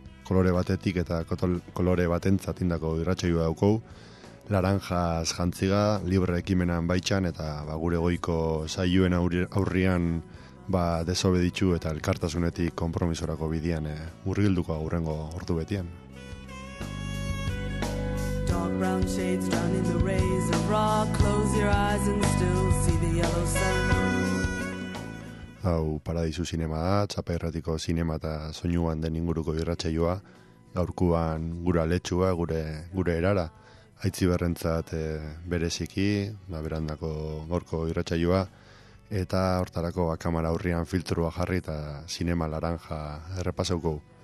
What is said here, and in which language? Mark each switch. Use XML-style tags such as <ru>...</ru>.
<eu>Kolore batetik eta kolore batentzat indako irratsaioa daukou, laranjas jantziga, libre ekimenan baitxan eta ba, gure goiko saioen aurrian ba, desobeditu eta elkartasunetik konpromisorako bidian murgilduko aurrengo ordu betian.</eu> <en>Dark brown shades drown in the rays of rock. Close your eyes and still see the yellow sun.</en> <eu>Hau Paradisu Zinema da, Txapa Irratiko Zinema eta Soinuan den inguruko irratsaioa. Gaurkuan gura letxua, gure erara. Aitziberrentzat bereziki, ba, berandako gorko irratsaioa. Eta hortarako kamara aurrian filtrua jarri eta zinema laranja errepasauko.</eu>